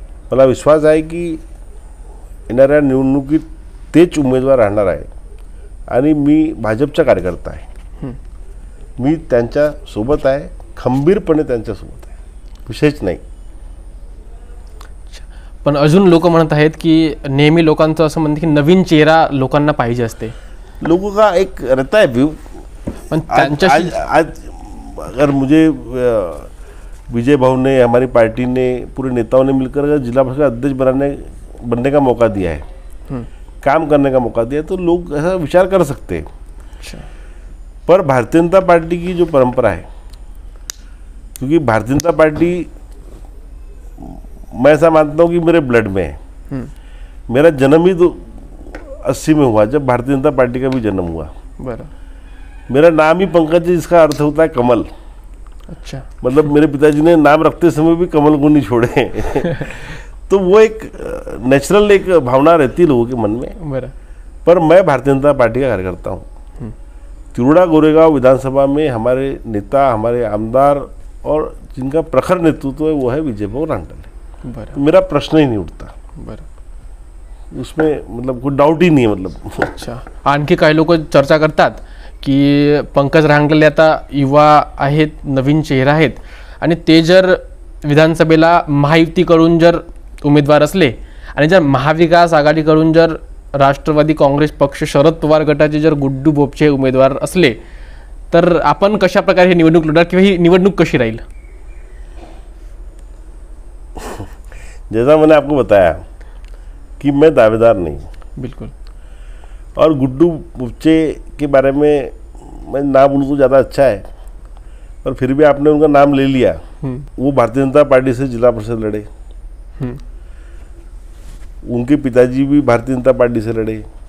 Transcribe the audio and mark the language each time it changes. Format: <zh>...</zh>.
<mr>मला विश्वास आहे की येणाऱ्या निवडणुकीत तेच उमेदवार राहणार आहे आणि मी भाजपचा कार्यकर्ता आहे. मी त्यांच्यासोबत आहे, खंबीरपणे त्यांच्यासोबत आहे, विशेष नाही. पण अजून लोक म्हणत आहेत की नेहमी लोकांचं असं म्हणतं की नवीन चेहरा लोकांना पाहिजे असते.</mr> <hi>लोक का एक रहता है व्यू</hi> <mr>पण त्यांच्या</mr> <hi>आज अगर मुझे विजय भाव ने हमारी पार्टी ने पूरे नेताओं ने मिलकर अगर जिला परिषद का अध्यक्ष बनने का मौका दिया है, काम करने का मौका दिया है, तो लोग ऐसा विचार कर सकते हैं. पर भारतीय जनता पार्टी की जो परंपरा है, क्योंकि भारतीय जनता पार्टी मैं ऐसा मानता हूँ कि मेरे ब्लड में है. मेरा जन्म ही तो 80 में हुआ जब भारतीय जनता पार्टी का भी जन्म हुआ. मेरा नाम ही पंकज जी जिसका अर्थ होता है कमल. अच्छा. मतलब मेरे पिताजी ने नाम रखते समय भी कमल को नहीं छोड़े. तो वो एक नेचुरल एक भावना रहती है लोगों के मन में. मेरा पर मैं भारतीय जनता पार्टी का कार्यकर्ता हूँ. तिरुड़ा गोरेगांव विधानसभा में हमारे नेता हमारे आमदार और जिनका प्रखर नेतृत्व है वो है विजयभाऊ रहांगडाले. तो मेरा प्रश्न ही नहीं उठता.</hi> <mr>बरा.</mr> <hi>उसमें मतलब कोई डाउट ही नहीं है. मतलब अच्छा.</hi> <mr>आणखी काही लोक चर्चा करतात की पंकज रहांगडाले आता युवा आहेत, नवीन चेहरा आहेत आणि ते जर विधानसभेला महायुतीकडून जर उमेदवार असले आणि जर महाविकास आघाडीकडून जर राष्ट्रवादी काँग्रेस पक्ष शरद पवार गटाचे जर गुड्डू बोपचे उमेदवार असले तर आपण कशाप्रकारे ही निवडणूक लढणार किंवा ही निवडणूक कशी राहील?</mr> <hi>जैसा मैंने आपको बताया कि मैं दावेदार नहीं. बिल्कुल. और गुड्डू बोपचे के बारे में मैं ना बोलूँ तो ज़्यादा अच्छा है, पर फिर भी आपने उनका नाम ले लिया. वो भारतीय जनता पार्टी से जिला परिषद लड़े, उनके पिताजी भी भारतीय जनता पार्टी से लड़े,</hi>